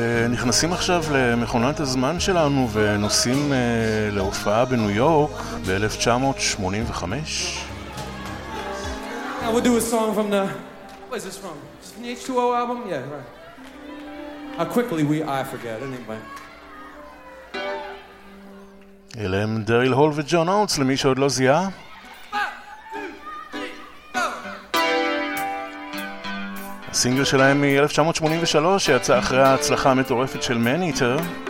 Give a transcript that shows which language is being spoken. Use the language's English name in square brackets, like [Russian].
[Hebrew] נכנסים עכשיו למכונת הזמן שלנו ונוסעים להופעה בניו יורק ב-1985. [English] Now we'll do a song from the... What is this from? Is this from the H2O album? Yeah, right. How quickly we... I forget, anyway. [Hebrew] אלה הם דריל הול וג'ון אונץ, למי שעוד לא זיהה. הסינגל שלהם מ-1983 שיצא אחרי ההצלחה המטורפת של Man Eater.